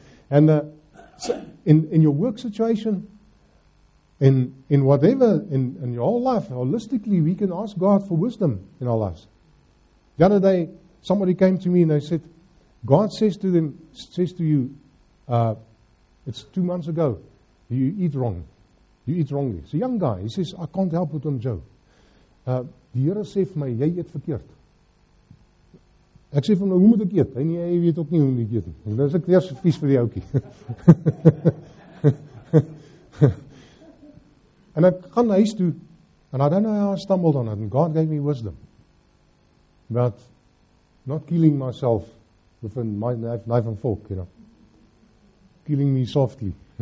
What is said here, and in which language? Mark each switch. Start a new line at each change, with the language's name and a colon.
English: And in your work situation, in whatever, in your whole life, holistically, we can ask God for wisdom in our lives. The other day, somebody came to me and they said, God says to you, it's 2 months ago, you eat wrong. You eat wrongly. It's a young guy. He says, I can't help with him, Joe.
Afrikaans: Die Here sê vir my, jy eet verkeerd. Ek sê vir my, hoe moet ek eet? En jy weet ook nie hoe moet ek eet. Dan is ek eers vies vir die oukie. En ek gaan huis toe,
English: and I don't know how I stumbled on it, and God gave me wisdom about not killing myself with a knife and fork, you know. Killing me softly.